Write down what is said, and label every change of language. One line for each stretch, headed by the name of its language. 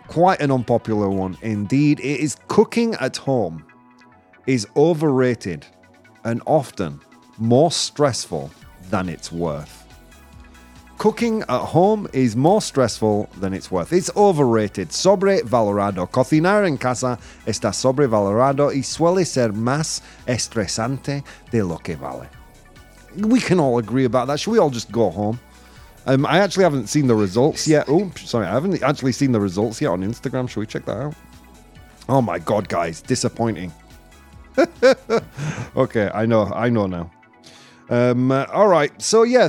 English: Quite an unpopular one, indeed. It is cooking at home is overrated and often more stressful than it's worth. Cooking at home is more stressful than it's worth. It's overrated.
Spanish: Sobrevalorado. Cocinar en casa está sobrevalorado y suele ser más estresante de lo que vale.
English: We can all agree about that. Should we all just go home? I actually haven't seen the results yet. Oh, sorry. I haven't actually seen the results yet on Instagram. Should we check that out? Oh, my God, guys. Disappointing. Okay, I know now. All right. So, yeah.